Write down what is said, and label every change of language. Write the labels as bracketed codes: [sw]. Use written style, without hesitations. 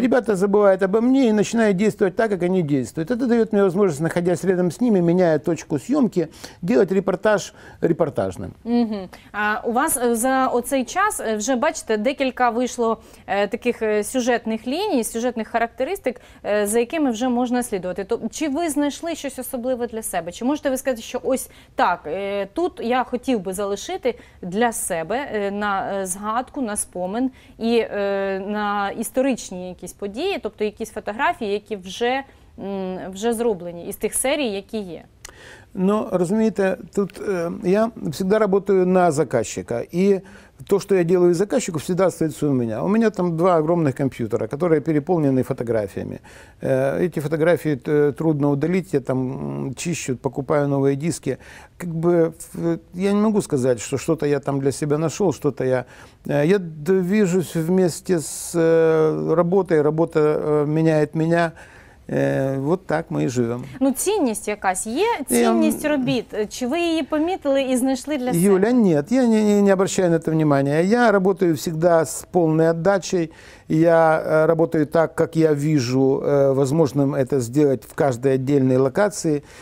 [ru] Ребята забывают обо мне и начинают действовать так, как они действуют. Это дает мне возможность, находясь рядом с ними, меняя точку съемки, делать репортаж репортажным. Mm-hmm. [uk] А у вас за оцей час, вже бачите, декілька вийшло таких сюжетних ліній, сюжетних характеристик, за якими вже можна слідувати. То, чи ви знайшли щось особливе для себе? Чи можете ви сказати, що ось так, тут я хотів би залишити для себе на згадку, на спомин і на історичні якісь події, тобто якісь фотографії, які вже зроблені із тих серій, які є? Ну, розумієте, тут я завжди працюю на заказчика, і то, [ru] что я делаю заказчику, всегда остается у меня. У меня там два огромных компьютера, которые переполнены фотографиями. Эти фотографии трудно удалить, я там чищу, покупаю новые диски. Как бы я не могу сказать, что что-то я там для себя нашел, что-то я... Я движусь вместе с работой, работа меняет меня. [uk] Вот так ми і живемо. Ну, цінність якась є, цінність робіт. Чи ви її помітили і знайшли для себе? Юля, ні, я [ru] не обращаю [uk] на це внимания. Я працюю завжди з повною віддачею. [ru] Я работаю так, как я вижу возможным это сделать в каждой отдельной локации.